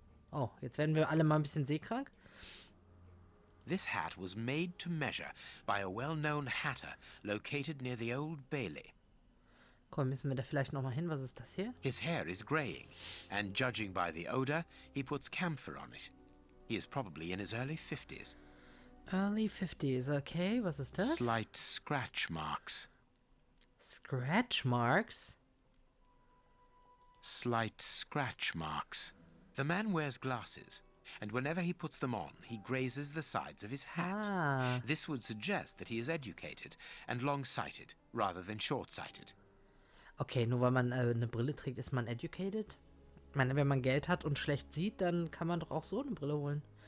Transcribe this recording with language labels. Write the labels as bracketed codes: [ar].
[de] Oh, jetzt werden wir alle mal ein bisschen seekrank. [en] This hat was made to measure by a well-known hatter located near the Old Bailey. [de] Komm, müssen wir da vielleicht noch mal hin? Was ist das hier? [en] His hair is graying, and judging by the odor, he puts camphor on it. He is probably in his early 50s. Early 50s, okay. [de] Was ist das? [en] Slight scratch marks. Scratch marks? Slight scratch marks. The man wears glasses, and whenever he puts them on, he grazes the sides of his hat. Ah. This would suggest that he is educated and long-sighted rather than short-sighted. [de] Okay, nur weil man eine Brille trägt, ist man educated? Ich meine, wenn man Geld hat und schlecht sieht, dann kann man doch auch so eine Brille holen.